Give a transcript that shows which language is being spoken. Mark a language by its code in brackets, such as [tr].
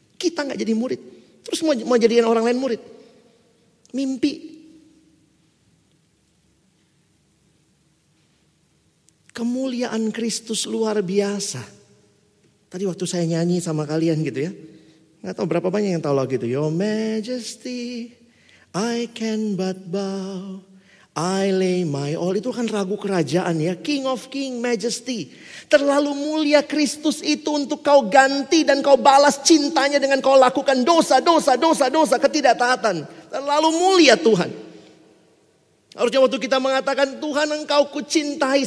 [id] Kita gak jadi murid, terus mau jadikan orang lain murid. Mimpi. Kemuliaan Kristus luar biasa. Tadi waktu saya nyanyi sama kalian gitu ya. Gak tahu berapa banyak yang tahu lagu itu. [en] Your Majesty, I can but bow, I lay my all. [id] Itu kan lagu kerajaan ya. [en] King of King, Majesty. [id] Terlalu mulia Kristus itu untuk kau ganti dan kau balas cintanya dengan kau lakukan dosa, ketidaktaatan. Terlalu mulia Tuhan. Harusnya waktu kita mengatakan, Tuhan engkau kucintai.